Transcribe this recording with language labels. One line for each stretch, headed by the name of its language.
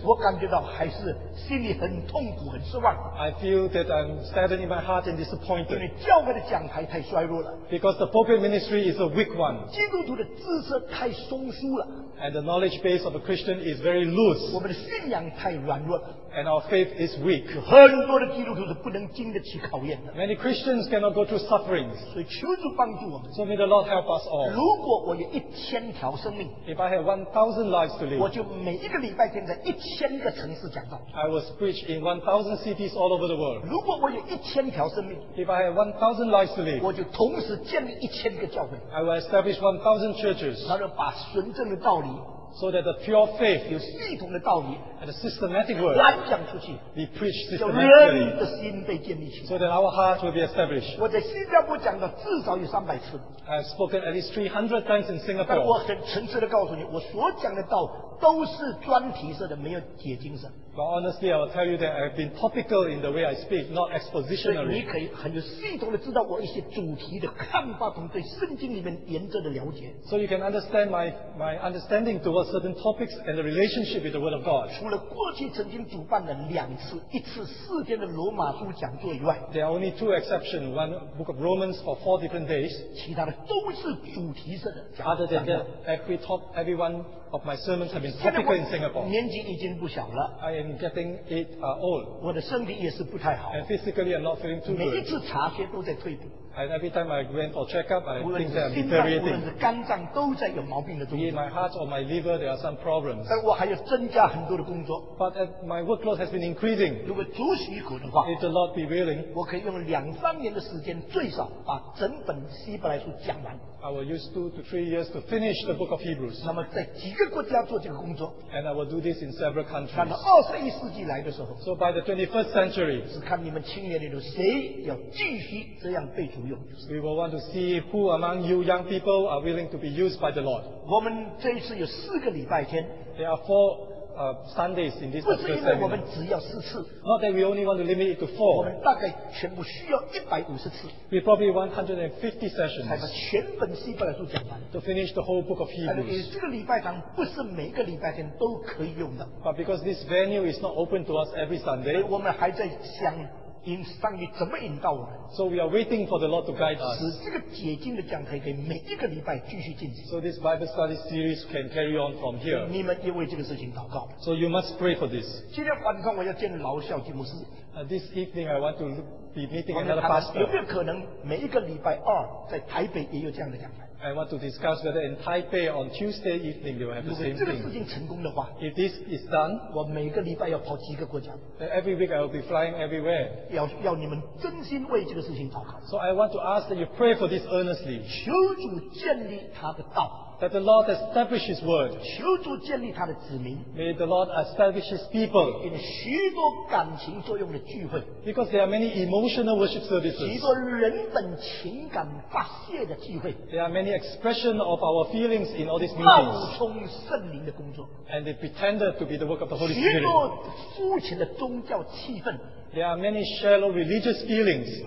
Chinese: 我感觉到还是心里很痛苦、很失望。
English: I feel that I'm saddened in my heart and disappointed.
Chinese: 因为教会的讲台太衰弱了。
English: Because the pulpit ministry is a weak one.
Chinese: 基督徒的知识太松疏了。
English: And the knowledge base of a Christian is very loose.
Chinese: 我们的信仰太软弱了。
English: And our faith is weak.
Chinese: 很多的基督徒是不能经得起考验的。
English: Many Christians cannot go through sufferings.
Chinese: 所以求主帮助我们。
English: So may the Lord help us all.
Chinese: 如果我有一千条生命，
English: If I have 1,000 lives to live,
Chinese: 我就每一个礼拜天在一千个城市讲道。
English: I will preach in 1,000 cities all over the world.
Chinese: 如果我有一千条生命，
English: If I have 1,000 lives to live,
Chinese: 我就同时建立一千个教会。
English: I will establish 1,000 churches.
Chinese: 然后把纯正的道理。
English: So that the pure faith,
Chinese: 有系统的道理，
English: and a systematic word,
Chinese: 传讲出去，
English: be preached systematically,
Chinese: 叫人的心被建立起来，
English: so that our heart will be established.
Chinese: 我在新加坡讲的至少有300次。
English: I've spoken at least 300 times in Singapore.
Chinese: 但我很诚实的告诉你，我所讲的道都是专题式的，没有解经式。
English: But honestly, I will tell you that I've been topical in the way I speak, not expositionary.
Chinese: 所以你可以很有系统的知道我一些主题的看法，同对圣经里面原则的了解。
English: So you can understand my understanding towards certain topics and the relationship with the Word of God.
Chinese: 除了过去曾经主办了两次，一次四天的罗马书讲座以外
English: ，there are only two exceptions: one Book of Romans for four different days.
Chinese: 其他的都是主题式的。
English: Other than that, everyone. Of my sermons have been typical in Singapore.
Chinese: 年纪已经不小了。
English: I am getting it old.
Chinese: 我的身体也是不太好。
English: And physically, I'm not feeling too good.
Chinese: 每一次查血都在退步。
English: And every time I went for checkup, I think that I'm deteriorating.
Chinese: 无论是肝脏都在有毛病的状态。
English: Be it my heart or my liver, there are some problems.
Chinese: 但我还要增加很多的工作。
English: But my workload has been increasing.
Chinese: 如果主许可的话
English: ，If the Lord be willing,
Chinese: 我可以用两三年的时间，最少把整本希伯来书讲完。
English: I will use 2 to 3 years to finish the book of Hebrews.
Chinese: 那么在几个国家做这个工作
English: ？And I will do this in several countries.
Chinese: 看到21世纪来的时候
English: ，So by the 21st century,
Chinese: 是看你们青年里头谁要继续这样被主用。
English: We will want to see who among you young people are willing to be used by the Lord.
Chinese: 我们这一次有四个礼拜天
English: ，There are four Sundays in this particular seminar.
Chinese: 不是因为我们只要四次
English: ，Not that we only want to limit it to four.
Chinese: 我们大概全部需要150次。
English: We probably 150 sessions.
Chinese: 才把全本希伯来书讲完。
English: To finish the whole book of Hebrews.
Chinese: 而且这个礼拜堂不是每个礼拜天都可以用的。
English: But because this venue is not open to us every Sunday.
Chinese: 我们还在想引上帝怎么引导我们。
English: So we are waiting for the Lord to guide us.
Chinese: 使这个解经的讲台可以每一个礼拜继续进行。
English: So this Bible study series can carry on from here.
Chinese: 你们也为这个事情祷告。
English: So you must pray for this.
Chinese: 今天晚上我要见劳效基牧师。
English: This evening I want to be meeting another pastor.
Chinese: 有没有可能每一个礼拜二在台北也有这样的讲台？
English: I want to discuss whether in Taipei on Tuesday evening they will have the same thing.
Chinese: 如果这个事情成功的话，
English: if this is done,
Chinese: 我每个礼拜要跑几个国家。
English: Every week I will be flying everywhere.
Chinese: 要你们真心为这个事情祷告。
English: So I want to ask that you pray for this earnestly.
Chinese: 求主建立他的道。
English: That the Lord establish His word.
Chinese: 求主建立他的子民。
English: May the Lord establish His people.
Chinese: 因许多感情作用的聚会。
English: Because there are many emotional worship services.
Chinese: 许多人本情感发泄的聚会。
English: There are many expression of our feelings in all these meetings.
Chinese: 冒充圣灵的工作。
English: And they pretended to be the work of the Holy Spirit.
Chinese: 许多肤浅的宗教气氛。
English: There are many shallow religious feelings.